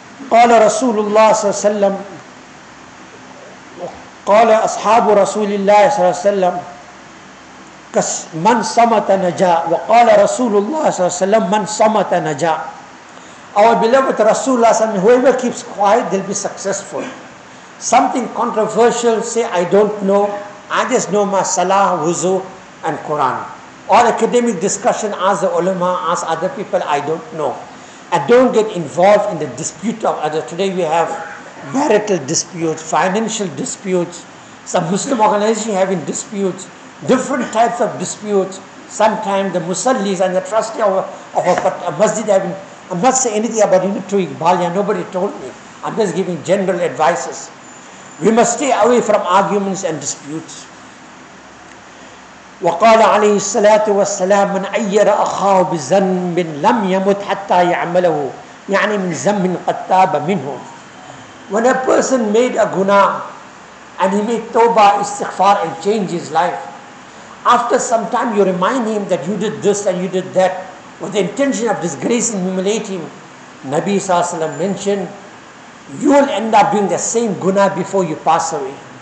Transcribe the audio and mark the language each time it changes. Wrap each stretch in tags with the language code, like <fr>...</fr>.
<ar>قال رسول الله صلى الله عليه وسلم قال أصحاب رسول الله صلى الله عليه وسلم من صمت نجا وقال رسول الله صلى الله عليه وسلم من صمت نجا.</ar> <en>Our beloved Rasulullah</en> <ar>صلى الله عليه وسلم,</ar> <en>whoever keeps quiet, they'll be successful. Something controversial, say I don't know, I just know my salah, wuzu and Quran. All academic discussion, ask the ulama, ask other people, I don't know. And don't get involved in the dispute of others. Today we have marital disputes, financial disputes, some Muslim organizations having disputes, different types of disputes. Sometimes the musallis and the trustee of a masjid having, I'm not saying anything about Unitui Balia, nobody told me. I'm just giving general advices. We must stay away from arguments and disputes.</en> <ar>وقال عليه الصلاة والسلام من أير أخاه بذنب لم يمت حتى يعمله يعني من ذنب قد تاب منه.</ar> <en>When a person made a guna and he made tawbah, istighfar and changed his life, after some time you remind him that you did this and you did that with the intention of disgracing and humiliating, Nabi</en> <ar>صلى الله عليه وسلم</ar> <en>mentioned, you will end up doing the same guna before you pass away.</en>